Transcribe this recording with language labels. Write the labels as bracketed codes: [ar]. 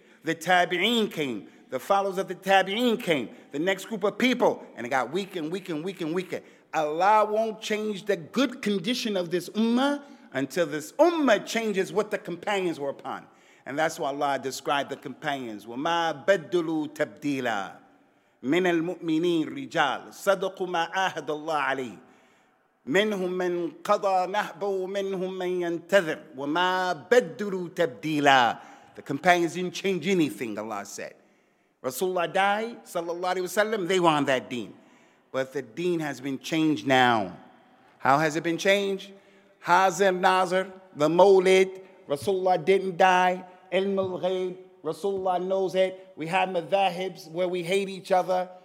[en] The tabi'een came, the followers of the tabi'een came, the next group of people, and it got weaker and weaker and weaker and weaker. Allah won't change the good condition of this ummah until this ummah changes what the companions were upon. And that's why Allah described the companions. [ar] وَمَا بَدُّلُوا تَبْدِيلًا من المؤمنين رجال صدقوا ما عاهد الله عليه منهم من قضى نحبه ومنهم من ينتظر وما بدلوا تبديلا. [en] The companions didn't change anything, Allah said. Rasulullah died, sallallahu alayhi wasallam, they were on that deen. But the deen has been changed now. How has it been changed? Hazim Nazir, the Mawlid, Rasulullah didn't die. Ilm al-Ghayb, Rasulullah knows it. We have madhahibs where we hate each other.